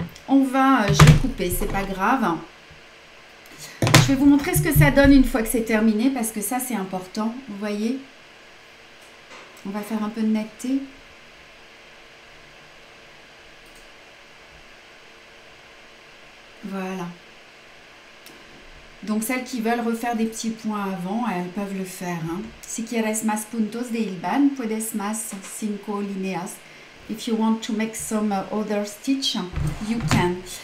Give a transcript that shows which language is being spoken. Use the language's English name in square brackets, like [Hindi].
[French] On va, je vais couper, c'est pas grave. Je vais vous montrer ce que ça donne une fois que c'est terminé, parce que ça, c'est important, vous voyez. On va faire un peu de netteté. Voilà. Donc, celles qui veulent refaire des petits points avant, elles peuvent le faire. Hein. [Spanish] Si quieres más puntos de hilvan, puedes más cinco líneas. [English] If you want to make some other stitch, you can.